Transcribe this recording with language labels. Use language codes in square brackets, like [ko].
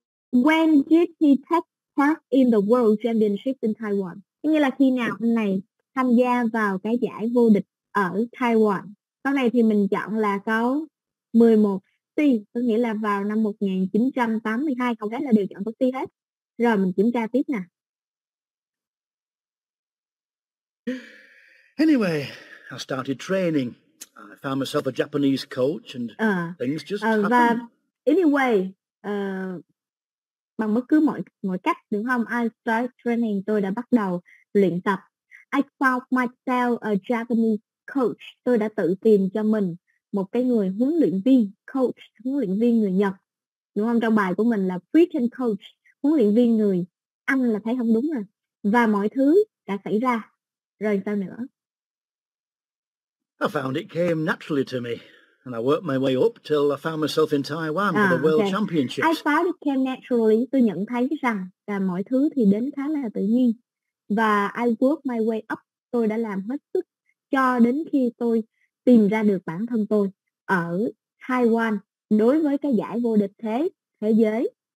[en] When did he take part in the World Championship in Taiwan? [vi] Nghĩa là khi nào anh này tham gia vào cái giải vô địch ở Taiwan? Câu này thì mình chọn là câu 11C, có nghĩa là vào năm 1982, không khác là đều chọn câu C hết. Rồi mình kiểm tra tiếp nè. [en] Anyway, I started training. I found myself a Japanese coach and things just happened. [vi] Và anyway, bằng bất cứ mọi cách, đúng không? [en] I start training, [vi] tôi đã bắt đầu luyện tập. [en] I found myself a Japanese coach, [vi] tôi đã tự tìm cho mình một cái người huấn luyện viên, coach, huấn luyện viên người Nhật, đúng không? Trong bài của mình là written coach, huấn luyện viên người Anh là thấy không đúng rồi. Và mọi thứ đã xảy ra. Rồi sao nữa? [en] I found it came naturally to me. And I worked my way up till I found myself in Taiwan for the World Championships. I found it came naturally. [vi] Tôi nhận thấy rằng là mọi thứ thì đến khá là tự nhiên. Và [en] I worked my way up. [vi] Tôi đã làm hết sức cho đến khi tôi tìm ra được bản thân tôi ở Taiwan đối với cái giải vô địch thế giới.